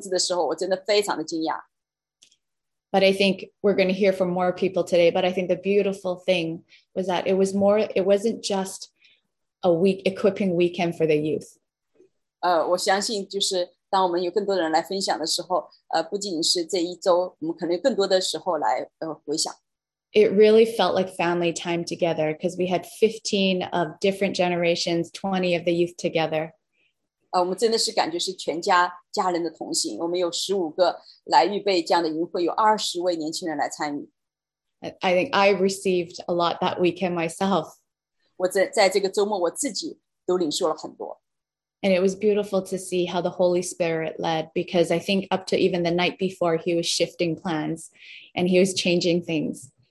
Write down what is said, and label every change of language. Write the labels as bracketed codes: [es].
[zh] 我也不得不诚实的来承认，就是我的信心真的很小。当我看到这个有这个数字的时候，我真的非常的惊讶。 [en] But I think we're going to hear from more people today. But I think the beautiful thing was that it was more. It wasn't just a week equipping weekend for the youth. [zh] 我相信就是当我们有更多人来分享的时候，不仅仅是这一周，我们可能有更多的时候来回想。 [en] It really felt like family time together because we had 15 of different generations, 20 of the youth together. [zh] 我们真的是感觉是全家人的同行，我们有15个来预备这样的营会，有20位年轻人来参与。 [en] I think I received a lot that weekend myself. [zh] 我在这个周末我自己都领受了很多。 [en] And it was beautiful to see how the Holy Spirit led, because I think up to even the night before, he was shifting plans and he was changing things.